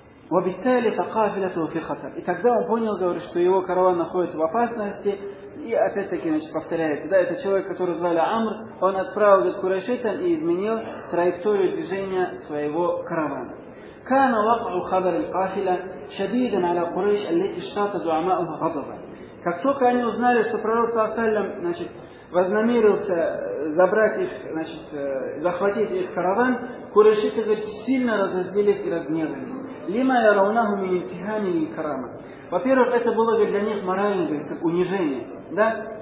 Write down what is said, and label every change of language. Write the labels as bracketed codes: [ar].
[ar] وَبِالتَّالِ فَقَافِلَتُهُ فِي خَطَرٍ. [ru] И тогда он понял, говорит, что его караван находится в опасности. И опять-таки, значит, повторяет, да, это человек, которого звали Амр, он отправил к курайшитам и изменил траекторию движения своего каравана. [ar] كان وقع خبر القافلة شديدا على قريش التي اشتاط زعماؤها غضبا. [ru] Как только они узнали, что пророк саллаллаху алейхи ва саллям, значит, вознамерился забрать их, значит, захватить их караван, курайшиты, говорит, сильно разозлились и разгневались. [ar] Лима яраунаху мин интихами лил карама. [ru] Во-первых, это было, говорит, для них моральное, говорит, как унижение. Да?